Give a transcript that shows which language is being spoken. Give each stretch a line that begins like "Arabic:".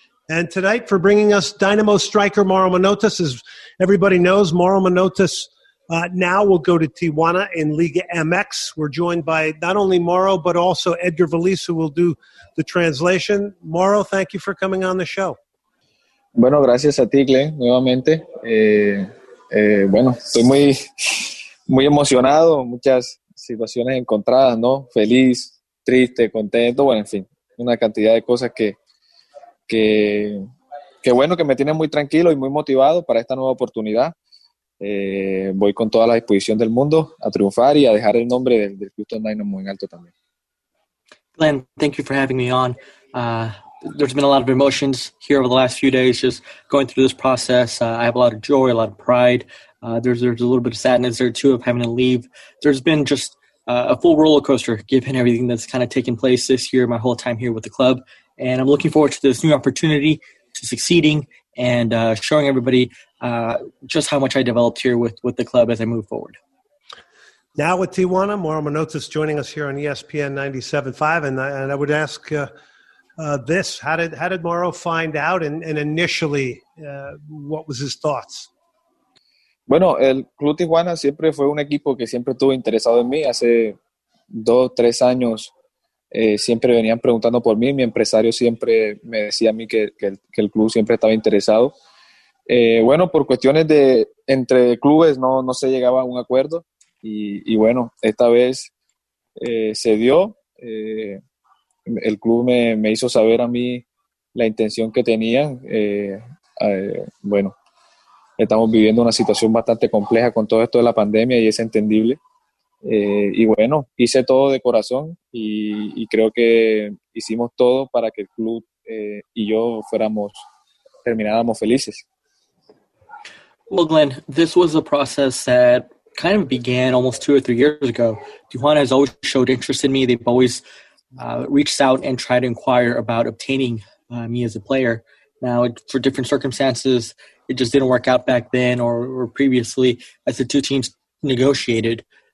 English: And tonight, for bringing us Dynamo striker Mauro Manotas, as everybody knows, Mauro Manotas now will go to Tijuana in Liga MX. We're joined by not only Mauro, but also Edgar Valiz, who will do the translation. Mauro, thank you for coming on the show.
Spanish: Bueno, gracias a ti, Glenn, nuevamente. Bueno, estoy muy, muy emocionado, muchas situaciones encontradas, ¿no? Feliz, triste, contento, bueno, en fin, una cantidad de cosas que bueno, que me tiene muy tranquilo y muy motivado para esta nueva oportunidad. Voy con toda la disposición del mundo a triunfar y a dejar el nombre del Houston Dynamo en alto también.
English: Glenn, thank you for having me on. There's been a lot of emotions here over the last few days, just going through this process. I have a lot of joy, a lot of pride. There's a little bit of sadness there too of having to leave. There's been just a full roller coaster given everything that's kind of taken place this year, my whole time here with the club. And I'm looking forward to this new opportunity to succeeding and showing everybody just how much I developed here with the club as I move forward. Now with Tijuana, Mauro Manotas joining us here on ESPN 97.5. And I would ask this, how did Mauro find out and initially what was his thoughts?
Spanish: Bueno, el Club Tijuana siempre fue un equipo que siempre estuvo interesado en mí. Hace 2-3 años siempre venían preguntando por mí. Mi empresario siempre me decía a mí que el club siempre estaba interesado. Bueno, por cuestiones de entre clubes no se llegaba a un acuerdo. Y bueno, esta vez se dio. El club me hizo saber a mí la intención que tenían. Bueno. Estamos viviendo una situación bastante compleja con todo esto de la pandemia y es entendible. Y bueno, hice todo de corazón y creo que hicimos todo para que el club y yo termináramos felices.
English: Well, Glenn, this was a process that kind of began almost 2 or 3 years ago. Tijuana has always showed interest in me. They've always reached out and tried to inquire about obtaining me as a player. Now, for different circumstances, it just didn't work out back then or previously as the two teams negotiated.